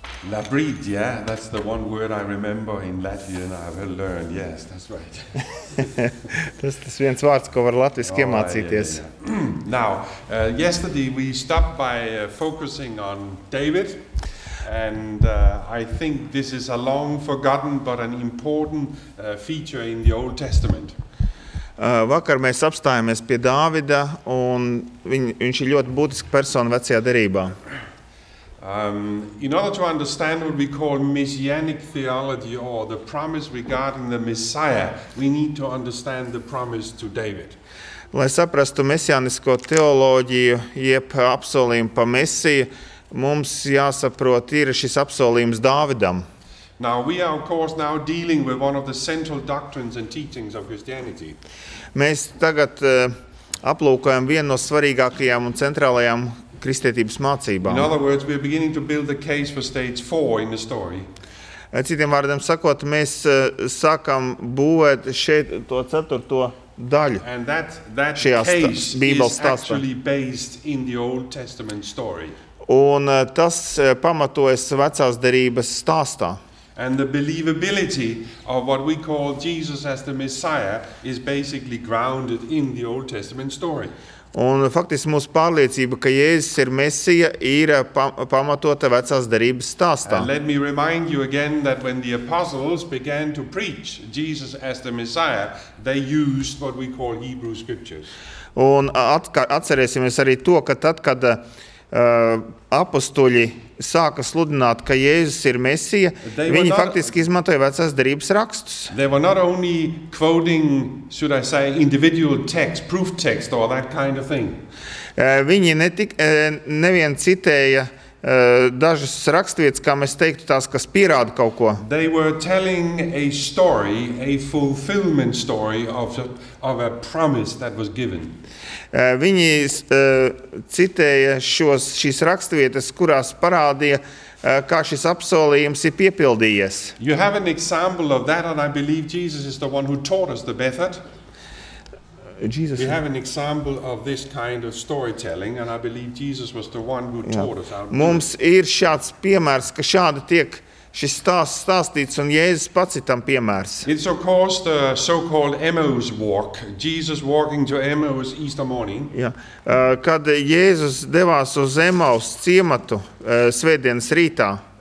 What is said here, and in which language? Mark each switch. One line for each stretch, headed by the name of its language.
English: Labrit, yeah, that's the one word I remember in Latvian I have learned. Yes, that's right.
Latvian: Tas tas viens vārds, ko var latviski iemācīties.
English: Now, yesterday we stopped by focusing on David, and I think this is a long forgotten but an important feature in the Old Testament.
Latvian: Vakar mēs apstājāmies pie Dāvida, un viņš ir ļoti būtiska persona vecajā derībā.
English: In order to understand what we call messianic theology or the promise regarding the Messiah, we need to understand the promise to David.
Latvian: Lai saprastu mesianisko teoloģiju, jeb apsolījumu pa Mesiju, mums jāsaprot, ir šis apsolījums Dāvidam.
English: Now we are of course now dealing with one of the central doctrines and teachings of Christianity.
Latvian: Mēs tagad aplūkojam vienu no svarīgākajām un centrālajām kristietības mācībām.
English: In other words, we are beginning to build the case for stage 4 in the story.
Latvian: Citiem vārdiem sakot, mēs sākam būvēt šeit to ceturto daļu.
English: And that case is actually based in the Old Testament story.
Latvian: Un tas pamatojas vecās derības stāstā.
English: And the believability of what we call Jesus as the Messiah is basically grounded in the Old Testament story.
Latvian: Un faktiski mūsu pārliecība, ka Jēzus ir Mesija, ir pamatota vecās derības stāstā.
English: And let me remind you again that when the apostles began to preach Jesus as the Messiah, they used what we call Hebrew scriptures.
Latvian: Un atcerēsimies arī to, ka tad, kad apostuļi sāka sludināt, ka Jēzus ir Mesija, viņi faktiski izmantoja vecās derības rakstus.
English: They were not only quoting, should I say, individual text, proof text or that kind of thing.
Latvian: Viņi nevien citēja dažas rakstvietas, kā mēs teiktu, tās, kas pierāda kaut ko.
English: They were telling a story, a fulfillment story of a promise that was given.
Latvian: Viņi citēja šīs rakstvietas, kurās parādīja, kā šis apsolījums ir piepildījies.
English: You have an example of that, and I believe Jesus is the one who taught us the method. Jesus. We have an example of this kind of storytelling, and I believe Jesus was the one who taught us how to do it.
Latvian: Mums ir šāds piemērs, ka šādi tiek šis stāsts stāstīts, un Jēzus pats ir tam piemērs.
English: It's of course the so-called Emmaus walk, Jesus walking to Emmaus Easter morning.
Latvian: Jā. Kad Jēzus devās uz Emmaus ciematu svētdienas rītā.